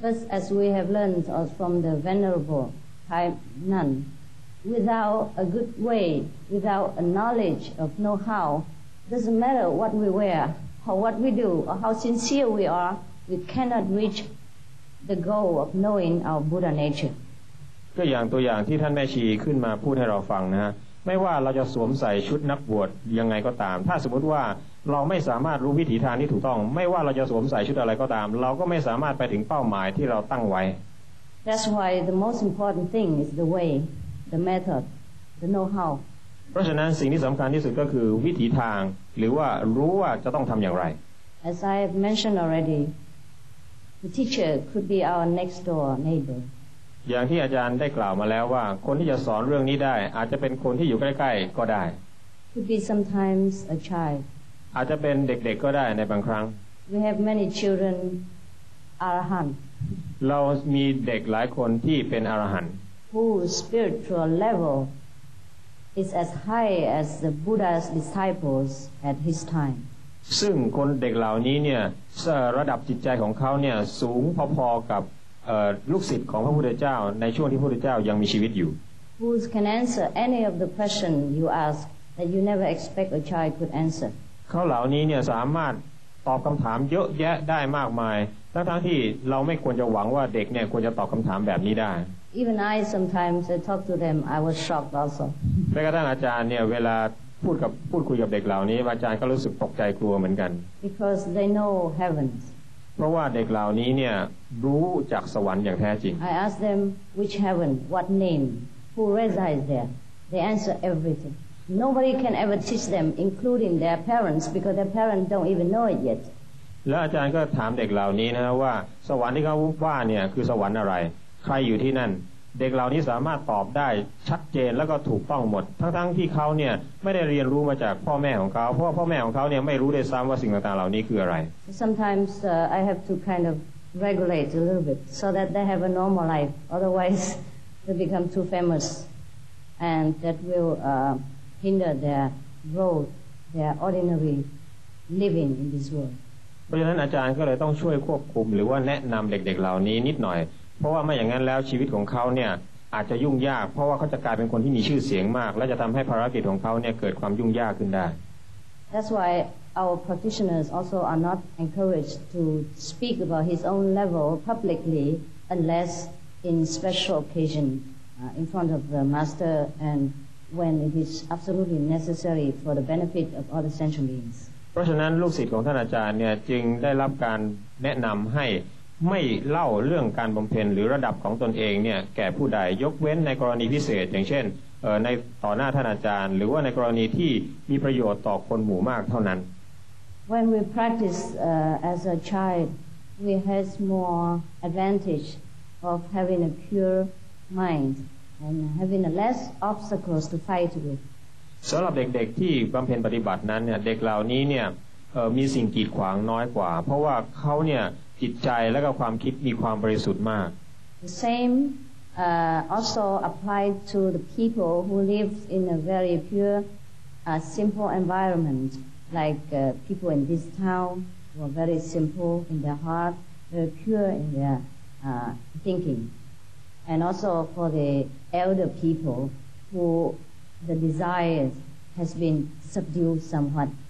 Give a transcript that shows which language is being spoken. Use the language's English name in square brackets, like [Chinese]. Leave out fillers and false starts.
[English] As we have learned from the Venerable Thai Nun, without a good way, without a knowledge of know-how, it doesn't matter what we wear, or what we do, or how sincere we are, we cannot reach the goal of knowing our Buddha nature. [Thai] ก็อย่างตัวอย่างที่ท่านแม่ชีขึ้นมาพูดให้เราฟังนะฮะไม่ว่าเราจะสวมใส่ชุดนักบวชยังไงก็ตามถ้าสมมติว่าเราไม่สามารถรู้วิถีทางที่ถูกต้องไม่ว่าเราจะสวมใส่ชุดอะไรก็ตามเราก็ไม่สามารถไปถึงเป้าหมายที่เราตั้งไว้ [English] That's why the most important thing is the way, the method, the know-how. [Thai] พราะฉะนั้นสิ่งที่สำคัญที่สุดก็คือวิถีทางหรือว่ารู้ว่าจะต้องทำอย่างไร [English] As I have mentioned already the teacher could be our next door neighbor [Thai] อย่างที่อาจารย์ได้กล่าวมาแล้วว่าคนที่จะสอนเรื่องนี้ได้อาจจะเป็นคนที่อยู่ใกล้ๆก็ได้ [English] Could be sometimes a child [Thai] อาจจะเป็นเด็กๆก็ได้ในบางครั้ง [English] We have many children arahant [Thai] เรามีเด็กหลายคนที่เป็นอรหันต์ [English] whose spiritual level is as high as the Buddha's disciples at his time [Thai] ซึ่งคนเด็กเหล่านี้เนี่ยระดับจิตใจของเขาเนี่ยสูงพอๆกับลูกศิษย์ของพระพุทธเจ้าในช่วงที่พระพุทธเจ้ายังมีชีวิตอยู่ [English] who can answer any of the question you ask that you never expect a child could answer [Thai] เขาเหล่านี้เนี่ยสามารถตอบคำถามเยอะแยะได้มากมายทั้งที่เราไม่ควรจะหวังว่าเด็กเนี่ยควรจะตอบคำถามแบบนี้ได้ [English] Even I sometimes I talk to them I was shocked also [Thai] แม้กระทั่งอาจารย์เนี่ยเวลาพูดคุยกับเด็กเหล่านี้อาจารย์ก็รู้สึกตกใจกลัวเหมือนกัน [English] Because they know heavens [Thai] เพราะว่าเด็กเหล่านี้เนี่ยรู้จักสวรรค์อย่างแท้จริง [English] I ask them which heaven what name who resides there they answer everythingNobody can ever teach them, including their parents, because their parents don't even know it yet. [Thai] แล้วอาจารย์ก็ถามเด็กเหล่านี้นะว่าสวรรค์ที่เขาว่าเนี่ยคือสวรรค์อะไรใครอยู่ที่นั่นเด็กเหล่านี้สามารถตอบได้ชัดเจนแล้วก็ถูกต้องหมดทั้งที่เขาเนี่ยไม่ได้เรียนรู้มาจากพ่อแม่ของเขาเพราะพ่อแม่ของเขาเนี่ยไม่รู้ด้วยซ้ำว่าสิ่งต่างๆเหล่านี้คืออะไร [English] Sometimes I have to kind of regulate a little bit so that they have a normal life. Otherwise, they become too famous, and that will hinder their growth, their ordinary living in this world. [Thai] เพราะฉะนั้นอาจารย์ก็เลยต้องช่วยควบคุมหรือว่าแนะนำเด็กๆเหล่านี้นิดหน่อยเพราะว่าไม่อย่างนั้นแล้วชีวิตของเขาเนี่ยอาจจะยุ่งยากเพราะว่าเขาจะกลายเป็นคนที่มีชื่อเสียงมากและจะทำให้ภารกิจของเขาเนี่ยเกิดความยุ่งยากขึ้นได้ [English] That's why our practitioners also are not encouraged to speak about his own level publicly unless in special occasion, in front of the master andwhen it is absolutely necessary for the benefit of other sentient beings [Thai] เพราะฉะนั้นลูกศิษย์ของท่านอาจารย์เนี่ยจึงได้รับการแนะนำให้ไม่เล่าเรื่องการบำเพ็ญหรือระดับของตนเองเนี่ยแก่ผู้ใดยกเว้นในกรณีพิเศษอย่างเช่นในต่อหน้าท่านอาจารย์หรือว่าในกรณีที่มีประโยชน์ต่อคนหมู่มากเท่านั้น [English] When we practice as a child we has more advantage of having a pure mindand having a less obstacles to fight with [Thai] สําหรับเด็กๆที่บําเพ็ญปฏิบัตินั้นเนี่ยเด็กเหล่านี้เนี่ยมีสิ่งกีดขวางน้อยกว่าเพราะว่าเขาเนี่ยจิตใจและก็ความคิดมีความบริสุทธิ์มาก [English] The same also applied to the people who live in a very pure simple environment like people in this town who are very simple in their heart very pure in their thinkingand also for the elder people who the desires has been subdued somewhat